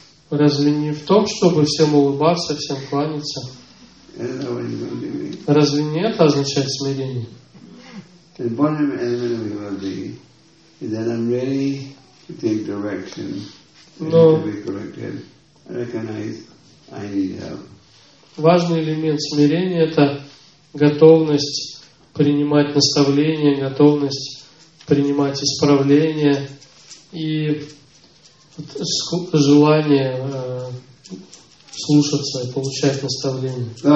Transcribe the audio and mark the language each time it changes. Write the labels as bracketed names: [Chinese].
[Russian] Разве не в том, чтобы всем улыбаться, всем кланяться? Разве не это означает смирение? [English] The bottom element of humility is that I'm ready to take direction and to be corrected. I recognize I need help. [Russian] Важный элемент смирения – это готовность принимать наставления, готовность принимать исправления и желание слушаться и получать наставления.